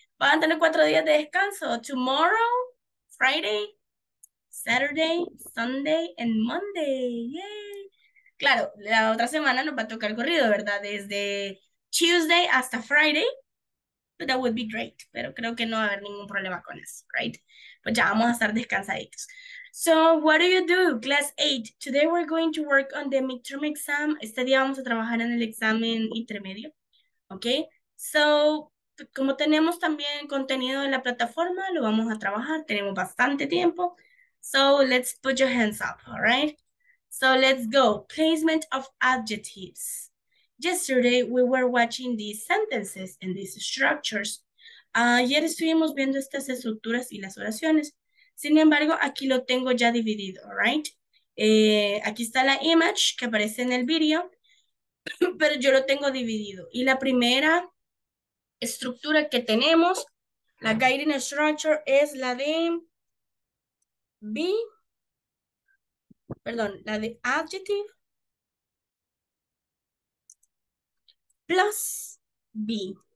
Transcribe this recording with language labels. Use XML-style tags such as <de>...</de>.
<es>Van a tener 4 días de descanso.</es> <en>Tomorrow, Friday, Saturday, Sunday, and Monday. Yay.</en> <es>Claro, la otra semana nos va a tocar corrido, ¿verdad? Desde Tuesday hasta Friday.</es> <en>But that would be great.</en> <es>Pero creo que no va a haber ningún problema con eso, right? Pues ya vamos a estar descansaditos.</es> <en>So, what do you do? Class 8. Today we're going to work on the midterm exam.</en> <es>Este día vamos a trabajar en el examen intermedio. Okay? So, como tenemos también contenido en la plataforma, lo vamos a trabajar. Tenemos bastante tiempo.</es> <en>So, let's put your hands up, all right? So, let's go. Placement of adjectives. Yesterday, we were watching these sentences and these structures.</en> <es>Ayer estuvimos viendo estas estructuras y las oraciones. Sin embargo, aquí lo tengo ya dividido,</es> <en>all right?</en> <es>Aquí está la image que aparece en el video, pero yo lo tengo dividido. Y la primera estructura que tenemos, la guiding structure, es la de be, perdón, la de adjective plus be.</es>